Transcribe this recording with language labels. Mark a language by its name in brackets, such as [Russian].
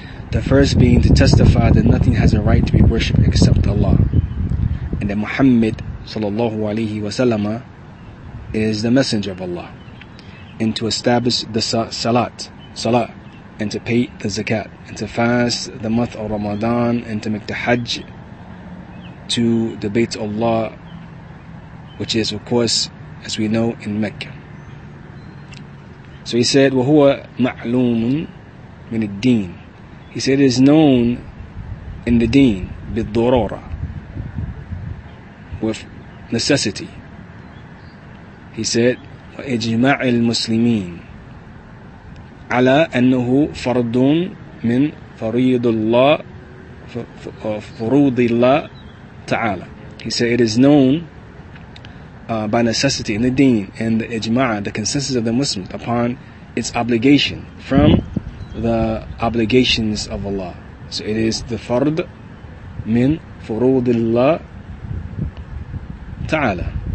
[English] The first being to testify that nothing has a right to be worshipped except Allah, and that Muhammad sallallahu alayhi wa sallam is the messenger of Allah, and to establish the salat, and to pay the zakat, and to fast the month of Ramadan, and to make the hajj to the Bayt Allah, which is, of course, as we know, in Mecca. [Arabic] So he said, وَهُوَ مَعْلُومٌ مِنِ الدِّينِ. [English] He said it is known in the deen, بالضرورة, with necessity. [Arabic] He said, وإجماع المسلمين على أنه فرض من فريض الله فروض الله تعالى. [English] He said it is known by necessity in the deen and the ijma, the consensus of the Muslims upon its obligation from the obligations of Allah. So it is the [Arabic] fard min furudillah ta'ala.